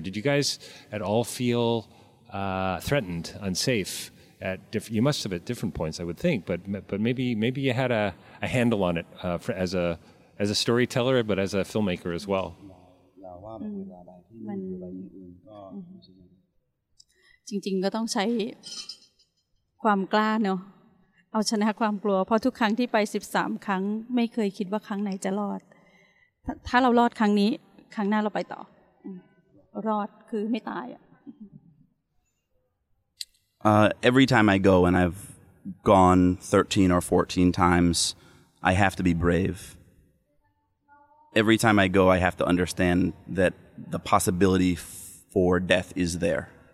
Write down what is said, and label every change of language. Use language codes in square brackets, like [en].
[en] Did you guys at all feel threatened, unsafe? You must have at different points, I would think, but maybe you had a handle on it as a storyteller, but as a filmmaker as well. [th] จริงๆก็ต้องใช้ความกล้าเนาะเอาชนะความกลัวเพราะทุกครั้งที่ไป13ครั้งไม่เคยคิดว่าครั้งไหนจะรอดถ้าเรารอดครั้งนี้ครั้งหน้าเราไปต่อรอดคือไม่ตาย [en] Every time I go, and I've gone 13 or 14 times, I have to be brave. Every time I go, I have to understand that the possibility for death is there.